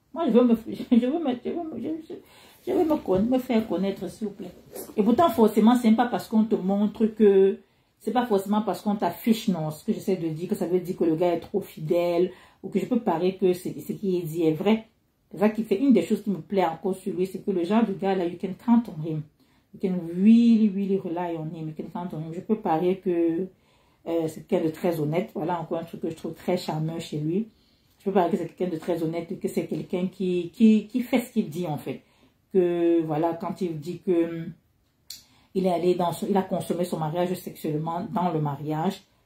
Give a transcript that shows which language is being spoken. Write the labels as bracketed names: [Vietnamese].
[French] Moi, je veux me faire connaître, s'il vous plaît. Et pourtant, forcément, c'est pas parce qu'on te montre que... C'est pas forcément parce qu'on t'affiche, non, ce que j'essaie de dire, que ça veut dire que le gars est trop fidèle, ou que je peux parier que ce qu'il dit est vrai. C'est ça qui fait une des choses qui me plaît encore sur lui, c'est que le genre de gars, là, [English] you can count on him. You can really, really rely on him. You can count on him. [French] Je peux parier que c'est quelqu'un de très honnête. Voilà encore un truc que je trouve très charmeur chez lui. Je peux parier que c'est quelqu'un de très honnête, que c'est quelqu'un qui fait ce qu'il dit, en fait. Que, voilà, quand il dit que... Il est allé dans, il a consommé son mariage sexuellement dans le mariage.